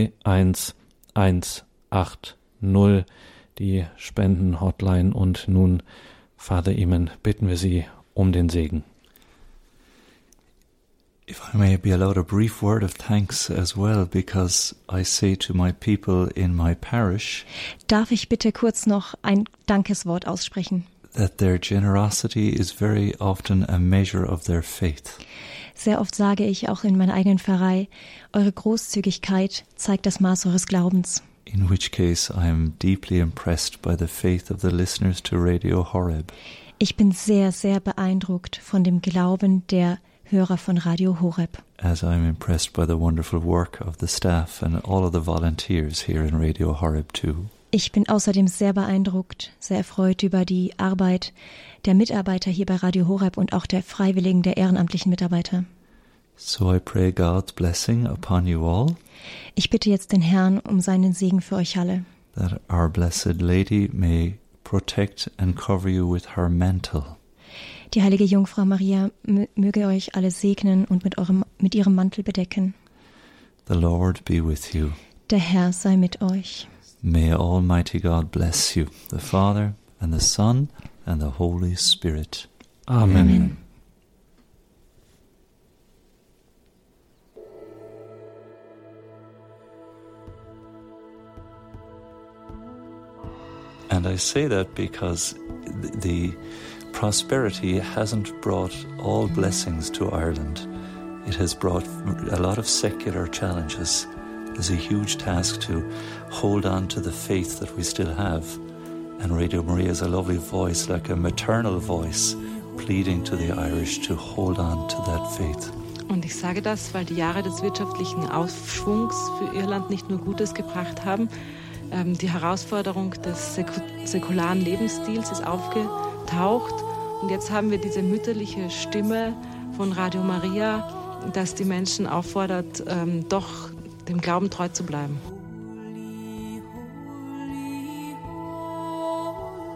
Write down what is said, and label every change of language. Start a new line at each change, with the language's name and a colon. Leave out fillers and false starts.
German: 08328921180, die Spenden-Hotline, und nun, Vater Eamon, bitten wir Sie um den Segen.
English: If I may be allowed a brief word of thanks as well, because I say to my people in my parish,
German: darf ich bitte kurz noch ein Dankeswort aussprechen?
English: That their generosity is very often a measure of their faith.
German: Sehr oft sage ich auch in meiner eigenen Pfarrei, eure Großzügigkeit zeigt das Maß eures Glaubens.
English: In which case I am deeply impressed by the faith of the listeners to Radio Horeb.
German: Ich bin sehr, sehr beeindruckt von dem Glauben der Hörer von Radio Horeb.
English: As I'm impressed by the wonderful work of the staff and all of the volunteers here in Radio Horeb too.
German: Ich bin außerdem sehr beeindruckt, sehr erfreut über die Arbeit der Mitarbeiter hier bei Radio Horeb und auch der Freiwilligen, der ehrenamtlichen Mitarbeiter.
English: So I pray God's blessing upon you all.
German: Ich bitte jetzt den Herrn um seinen Segen für euch alle.
English: That our Blessed Lady may protect and cover you with her mantle.
German: Die heilige Jungfrau Maria möge euch alle segnen und mit ihrem Mantel bedecken.
English: The Lord be with you.
German: Der Herr sei mit euch.
English: May Almighty God bless you, the Father and the Son and the Holy Spirit. Amen. Amen. And I say that because the prosperity hasn't brought all blessings to Ireland. It has brought a lot of secular challenges. There's a huge task to hold on to the faith that we still have. And Radio Maria is a lovely voice, like a maternal voice, pleading to the Irish to hold on to that faith.
German: Und ich sage das, weil die Jahre des wirtschaftlichen Aufschwungs für Irland nicht nur Gutes gebracht haben. Die Herausforderung des säkularen Lebensstils ist aufgetaucht. Und jetzt haben wir diese mütterliche Stimme von Radio Maria, das die Menschen auffordert, doch dem Glauben treu zu bleiben.
English: Holy, holy, holy.